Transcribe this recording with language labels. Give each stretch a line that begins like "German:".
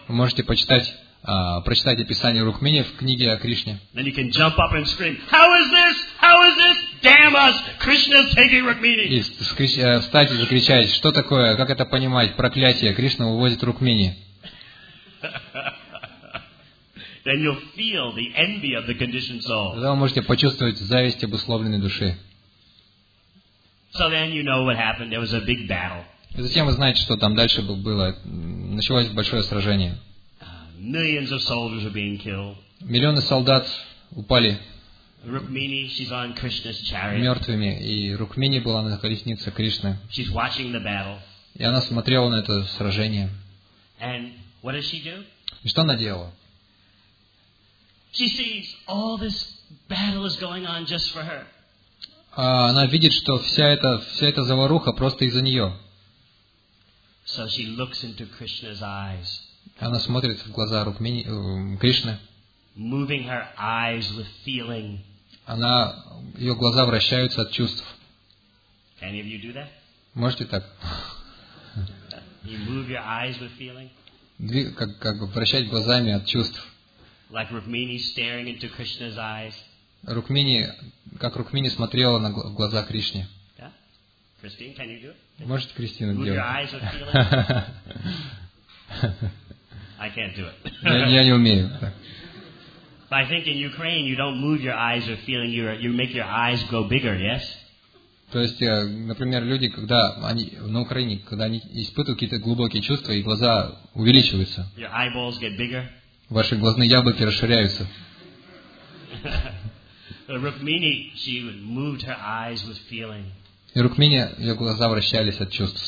Russian: Вы можете прочитать описание Рукмини в книге о Кришне.
English: Then you can jump up and scream, "How is this? How is this? Damn us! Krishna is taking Rukmini!"
Russian: И встать и закричать, что такое? Как это понимать? Проклятие! Кришна увозит Рукмини.
English: Then you'll feel the envy of the conditioned soul.
Russian: Тогда вы можете почувствовать зависть обусловленной души.
English: So then you know what happened. There was a big battle.
Russian: И затем вы знаете, что там дальше было. Началось большое сражение.
English: Millions of soldiers were being killed.
Russian: Миллионы солдат упали.
English: Rukmini, she's on Krishna's chariot.
Russian: Мертвыми. И Рукмини была на колеснице Кришны.
English: She's watching the battle.
Russian: И она смотрела на это сражение.
English: And what does she do?
Russian: И что она делала?
English: She sees all this battle is going on just for her.
Russian: Она видит, что вся эта заваруха просто из-за нее.
English: So she looks into Krishna's eyes.
Russian: Она смотрит в глаза Рукмини, Кришны.
English: Moving her eyes with feeling.
Russian: Она, ее глаза вращаются от чувств.
English: Can any of you do that?
Russian: Можете так?
English: You move your eyes with feeling.
Russian: Как бы вращать глазами от чувств.
English: Like Rukmini staring into Krishna's eyes.
Russian: Рукмини, как Рукмини смотрела на глаза Кришне.
English: Yeah? Christine, can you do it?
Russian: Можете Кристина
English: move
Russian: делать?
English: Move your eyes with feeling. I can't do it.
Russian: Я не умею.
English: But I think in Ukraine you don't move your eyes with feeling. You make your eyes grow bigger. Yes.
Russian: То есть, например, люди, когда они на Украине, когда они испытывают какие-то глубокие чувства, и глаза увеличиваются.
English: Your eyeballs get bigger.
Russian: Ваши глазные яблоки расширяются.
English: Rukmini, she moved her eyes with feeling.
Russian: И Рукмини, ее глаза вращались от чувств.